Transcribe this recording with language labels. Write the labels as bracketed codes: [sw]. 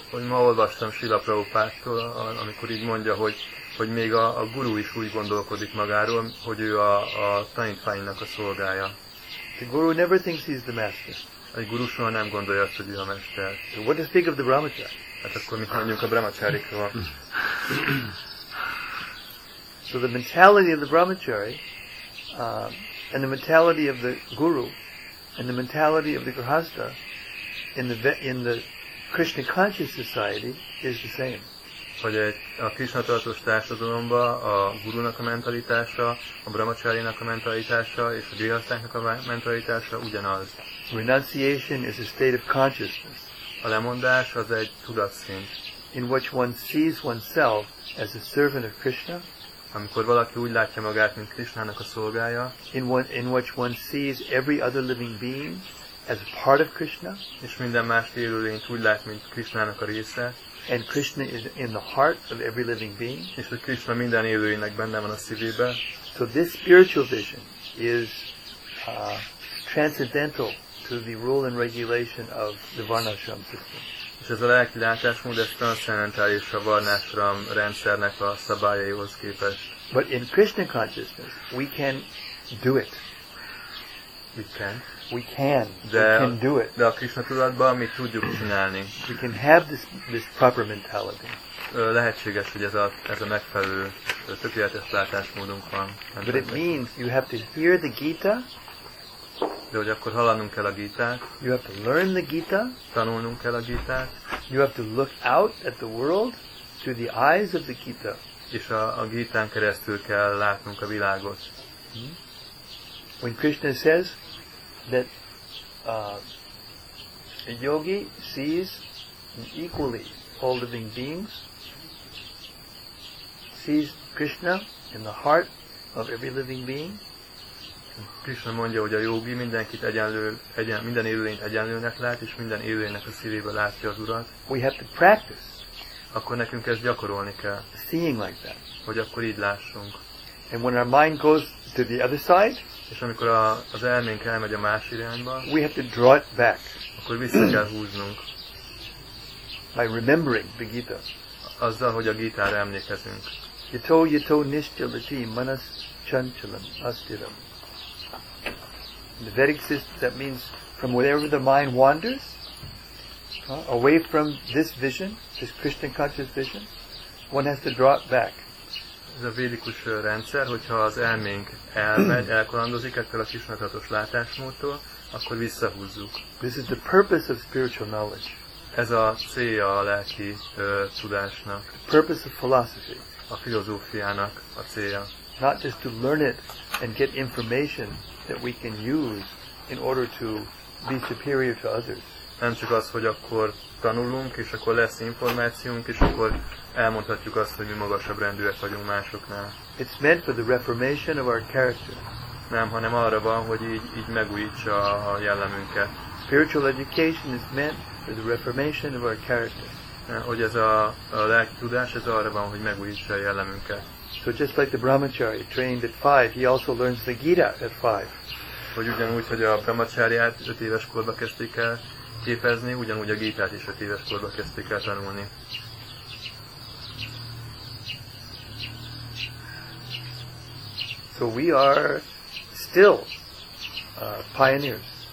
[hu] Hogy ma olvastam Srila Prabhupádtól, amikor így mondja, hogy még a guru is úgy gondolkodik magáról, hogy ő a tanítványnak a szolgája. [en] The guru never thinks he's the master. [hu] A guru soha nem gondolja azt, hogy ő a mester. [en] So what to speak of the brahmacharya? [hu] Hát akkor mit mondjuk a brahmacharikról? [en] So the mentality of the brahmachari, and the mentality of the guru, and the mentality of the grihastha, in the Krishna conscious society is the same. [hu] Hogy a Krishna tartós társadalomban a gurunak a mentalitása, a brahmacharinak a mentalitása és a grihasztáknak a mentalitása ugyanaz. [en] Renunciation is a state of consciousness. [hu] A lemondás az egy tudatszint. [en] In which one sees oneself as a servant of Krishna. [hu] Amikor valaki úgy látja magát, mint Krishnának a szolgája. [en] In which one sees every other living being as part of Krishna. [hu] És minden más élőlényt úgy lát, mint Krishnának a része. [en] And Krishna is in the heart of every living being. [hu] És hogy Krishna minden élőjének benne van a szívében. [en] So this spiritual vision is transcendental to the rule and regulation of the Varnashram system. [hu] És ez a lelki látásmód, ez transzcendentális a varnásram rendszernek a szabályaihoz képest. [en] But in Krishna consciousness, we can do it. We can. We can. [hu] De [en] we can do it. [hu] De a Krishna tudatban mi tudjuk csinálni. [en] We can have this proper mentality. [hu] Lehetséges, hogy ez a megfelelő, tökéletes látásmódunk van. [en] But it means you have to hear the Gita. [hu] De hogy akkor hallanunk kell a Gítát. [en] You have to learn the Gita. [hu] Tanulnunk kell a Gítát. [en] You have to look out at the world through the eyes of the Gita. [hu] És a Gítán keresztül kell látnunk a világot. [en] When Krishna says that a yogi sees equally all living beings, sees Krishna in the heart of every living being. [hu] Krishna mondja, hogy a jogi mindenkit minden élőlényt egyenlőnek lát, és minden élőlénynek a szívébe látja az Urat. [en] We have to practice. [hu] Akkor nekünk ezt gyakorolni kell. [en] Seeing like that. [hu] Hogy akkor így lássunk. [en] And when our mind goes to the other side, [hu] és amikor az elménk elmegy a más irányba, [en] we have to draw it back. [hu] Akkor vissza kell húznunk. [en] By remembering the Gita. [hu] Azzal, hogy a Gitára emlékezünk. [sa] Yato nischalati manas chanchalam astiram. [en] The Vedic system, that means from wherever the mind wanders, away from this vision, this Krishna conscious vision, one has to draw it back. [hu] Ez a védikus rendszer, hogyha az elménk elmegy, elkalandozik ettől a kisnatatos látásmódtól, akkor visszahúzzuk. [en] This is the purpose of spiritual knowledge. [hu] Ez a célja a lelki tudásnak. [en] The purpose of philosophy. [hu] A filozófiának a célja. [en] Not just to learn it and get information that we can use in order to be superior to others. [hu] Nem csak az, hogy akkor tanulunk, és akkor lesz információnk, és akkor elmondhatjuk azt, hogy mi magasabb rendűek vagyunk másoknál. [en] It's meant for the reformation of our character. [hu] Nem, hanem arra van, hogy így megújítsa a jellemünket. [en] Spiritual education is meant for the reformation of our character. [hu] Hogy ez a lelki tudás, ez arra van, hogy megújítsa a jellemünket. [en] So just like the brahmacharya trained at 5, he also learns the Gita at 5. [hu] Hogy ugyanúgy, hogy a brahmacharyát 5 éves korba kezdték el képezni, ugyanúgy a Gitát is 5 éves korba kezdték el tanulni. [en] So we are still pioneers.